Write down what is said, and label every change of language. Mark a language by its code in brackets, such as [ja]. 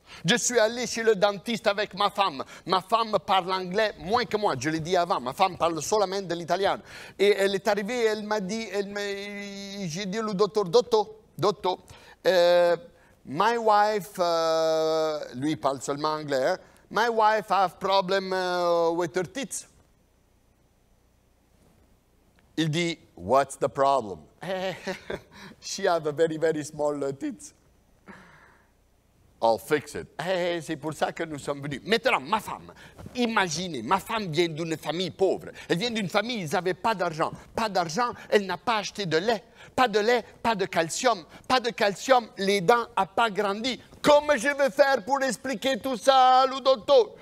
[fr] Je suis allé chez le dentiste avec ma femme. Ma femme parle anglais moins que moi, je l'ai dit avant. Ma femme parle seulement de l'italien. Et elle est arrivée, elle m'a dit, j'ai dit au docteur, dotto, [en] my wife, [fr] lui parle seulement anglais, hein? [en] My wife have problem with her teeth. [fr] Il dit, [en] what's the problem? She have a very, very small teeth. I'll fix it. [fr] Hey, c'est pour ça que nous sommes venus. Maintenant, ma femme, imaginez, ma femme vient d'une famille pauvre. Elle vient d'une famille, ils n'avaient pas d'argent. Pas d'argent, elle n'a pas acheté de lait. Pas de lait, pas de calcium. Pas de calcium, les dents n'ont pas grandi. Comment je vais faire pour expliquer tout ça à le docteur?